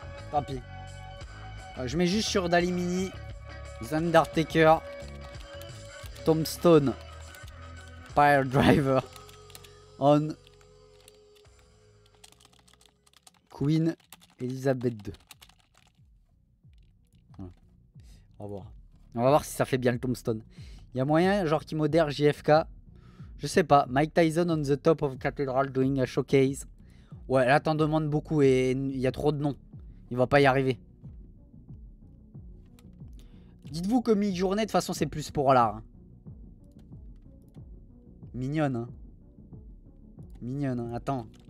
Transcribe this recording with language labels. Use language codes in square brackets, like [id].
[fr] Tant pis. Alors, je mets juste sur Dali Mini. The Undertaker. Tombstone. Pile Driver. On. [en] Queen Elizabeth II. [fr] Ouais. Au revoir. On va voir si ça fait bien le tombstone. Il y a moyen, genre, qui modère JFK. Je sais pas. [en] Mike Tyson on the top of Cathedral doing a showcase. [fr] Ouais, là, t'en demandes beaucoup et il y a trop de noms. Il va pas y arriver. Dites-vous que Midjourney, de toute façon, c'est plus pour l'art. Mignonne, hein. Mignonne, hein. Attends.